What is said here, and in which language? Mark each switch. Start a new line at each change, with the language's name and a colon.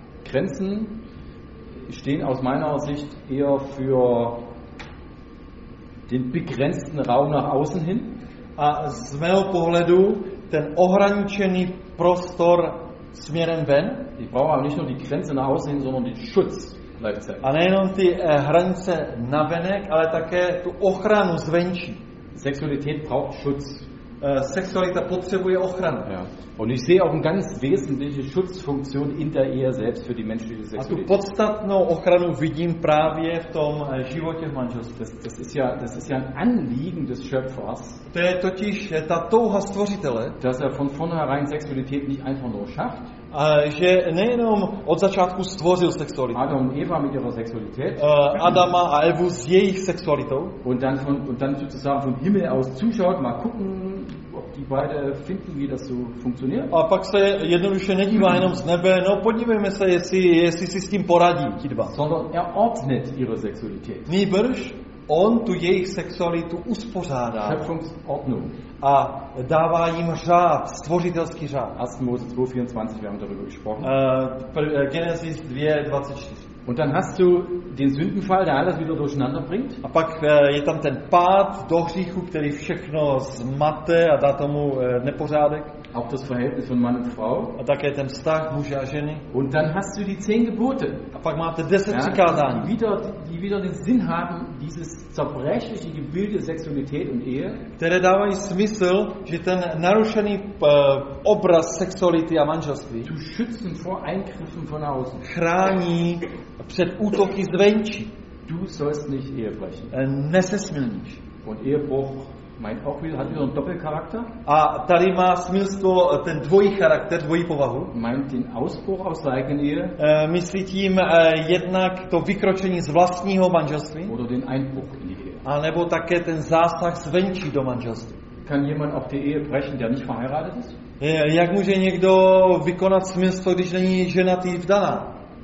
German: Grenzen stehen aus meiner Sicht eher für den begrenzten Raum nach außen hin.
Czech: A z mého pohledu ten ohraničený prostor směrem ven.
German: Ich brauche aber nicht nur die Grenze nach außen hin, sondern den Schutz.
Czech: lehce. A nejenom ty hranice navenek, ale také tu ochranu zvenčí.
German: Sexualität braucht Schutz.
Czech: Sexualita potřebuje ochranu.
German: Ja. Und ich sehe auch eine ganz wesentliche Schutzfunktion in der Ehe selbst für die menschliche Sexualität.
Czech: A tu podstatnou ochranu vidím právě v tom životě v manželství.
German: Das ist ja ein Anliegen des Schöpfers.
Czech: To je totiž ta touha stvořitele.
German: Dass er von vornherein Sexualität nicht einfach nur schafft.
Czech: Že nejenom od začátku stvořil sexualitu.
German: Adam a Eva mit ihrer Sexualität.
Czech: Adama a Evu s jejich sexualitou.
German: Und dann sozusagen vom Himmel aus zuschaut, mal gucken, ob die beide finden, wie das so funktioniert.
Czech: A pak se jednoduše nedívá jenom z nebe, no podívejme se, jestli si s tím poradí ti dva.
German: Sondern er ordnet ihre Sexualität.
Czech: Nýbrž on tu jejich sexualitu uspořádá.
German: Schöpfungsordnung.
Czech: A dává jim řád, stvořitelský řád.
German: Asmose 2:24, wir haben darüber gesprochen.
Czech: Genesis 2:24.
German: Und dann hast du den Sündenfall, der alles wieder durcheinander bringt.
Czech: A pak je tam ten pád do hříchu, který všechno zmate a dá tomu nepořádek.
German: Auch das Verhältnis von Mann und Frau.
Czech: A také ten vztah muže a ženy.
German: Und dann hast du die 10 Gebote.
Czech: A pak máte 10 přikázání.
German: Die wieder den Sinn haben, dieses zerbrechliche Gebilde Sexualität und Ehe.
Czech: Které dávají smysl, že ten narušený obraz sexuality a manželství.
German: Zu schützen vor Eingriffen von außen.
Czech: Chrání před útoky zvenčí.
German: Du sollst nicht Ehe brechen.
Czech: Nesesmilníš.
German: Und Ehebruch meint auch wieder, hat wieder einen Doppelcharakter.
Czech: A tady má smilstvo ten dvojí charakter, dvojí povahu.
German: Meint den Ausbruch aus der eigenen Ehe.
Czech: Myslí tím jednak to vykročení z vlastního manželství.
German: Oder den Einbruch in die Ehe.
Czech: A nebo také ten zásah zvenčí do manželství.
German: Kann jemand auch die Ehe brechen, der nicht verheiratet ist?
Czech: Jak může někdo vykonat smilstvo, když není ženatý vdaná?